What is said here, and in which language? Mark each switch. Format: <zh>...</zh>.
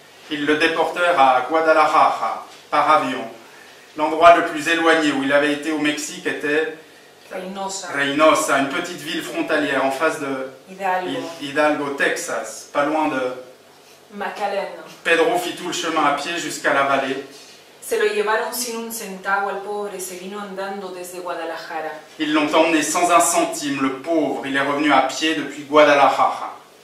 <fr>Ils le déportèrent à Guadalajara, par avion. L'endroit le plus éloigné où il avait été au Mexique était Reynosa, une petite ville frontalière en face de Hidalgo, Texas, pas loin de McAllen. Pedro fit tout le chemin à pied jusqu'à la vallée.</fr> <es>Se lo llevaron sin un centavo al pobre, se vino andando desde Guadalajara.</es> <fr>Ils l'ont emmené sans un centime, le pauvre, il est revenu à pied depuis Guadalajara.</fr>